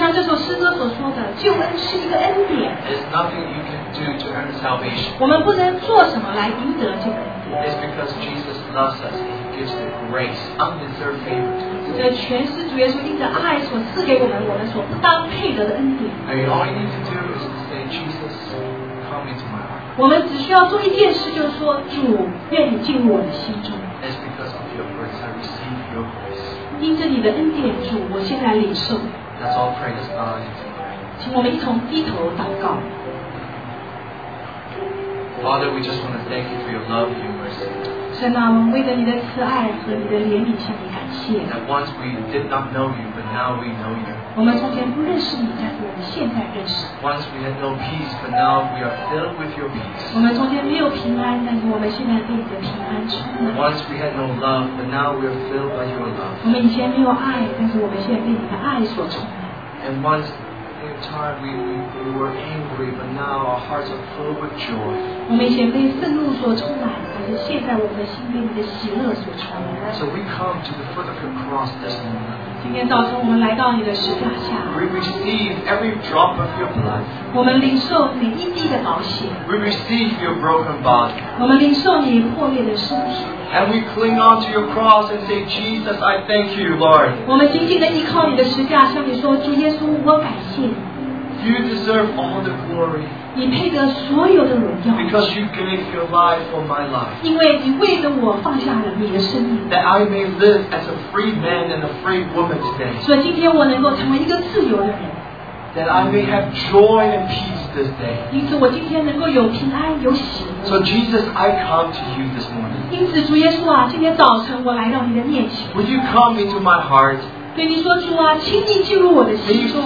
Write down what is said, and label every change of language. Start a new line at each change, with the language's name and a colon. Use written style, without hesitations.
English: nothing you can do to earn salvation. It's because Jesus loves us. Gives the grace, undeserved favor. And all you need to do is to say, Jesus, come into my heart.
Chinese: 我们只需要做一件事，就是说，主愿你进入我的心中。
English: That's because of your grace, I receive your grace.
Chinese: 因着你的恩典，主，我现在领受。
English: Let's all pray this God into prayer.
Chinese: 请我们一同低头祷告。
English: Father, we just want to thank you for your love and your mercy.
Chinese: 神啊，我们为着你的慈爱和你的怜悯向你感谢。
English: That once we did not know you, but now we know you.
Chinese: 我们从前不认识你，但是我们现在认识。
English: Once we had no peace, but now we are filled with your peace.
Chinese: 我们从前没有平安，但是我们现在被你的平安充满。
English: Once we had no love, but now we are filled by your love.
Chinese: 我们以前没有爱，但是我们现在被你的爱所充满。
English: And once in time we were angry, but now our hearts are filled with joy.
Chinese: 我们以前被愤怒所充满。
English: So we come to the foot of your cross this morning.
Chinese: 今天早晨我们来到你的十字架下。
English: We receive every drop of your blood.
Chinese: 我们领受每一滴的宝血。
English: We receive your broken body.
Chinese: 我们领受你破裂的身体。
English: And we cling on to your cross and say, Jesus, I thank you, Lord.
Chinese: 我们紧紧地依靠你的十字架，向你说，主耶稣，我感谢。
English: You deserve all the glory.
Chinese: 你配得所有的荣耀,
English: because you gave your life for my life.
Chinese: 因为你为了我放下了你的生命,
English: that I may live as a free man and a free woman today.
Chinese: 所以今天我能够成为一个自由的人,
English: that I may have joy and peace this day.
Chinese: 因此我今天能够有平安有喜乐。
English: So Jesus, I come to you this morning.
Chinese: 因此主耶稣啊, 今天早晨我来到你的面前。
English: Would you come into my heart?
Chinese: 对你说主啊, 请你进入我的心中。